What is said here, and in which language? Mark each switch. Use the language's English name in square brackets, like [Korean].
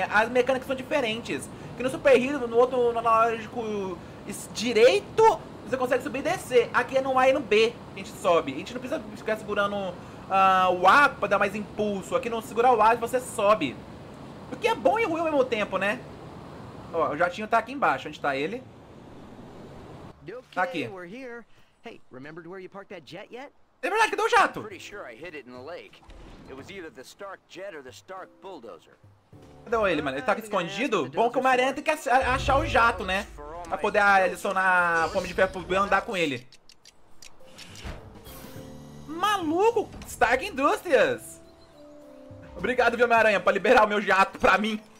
[Portuguese] As mecânicas são diferentes. Que no Super Heroes, no outro analógico direito, você consegue subir e descer. Aqui é no A e no B que a gente sobe. A gente não precisa ficar segurando o A pra dar mais impulso. Aqui não segura o A e você sobe. O que é bom e ruim ao mesmo tempo, né? Ó, o jatinho tá aqui embaixo. Onde tá ele? Tá aqui. [English] We're here. Hey, remembered where you parked that jet yet? [Portuguese] É verdade, cadê o jato? [English] Pretty sure I hit it in the lake. It was either the Stark jet or the Stark bulldozer. [Portuguese] Cadê ele, mano? Ele tá aqui escondido? Bom que o Maranhão tem que achar o jato, né? Pra poder adicionar fome de ferro e andar com ele. Maluco! Stark Industrias! Obrigado, viu, Homem-Aranha, pra liberar o meu jato pra mim.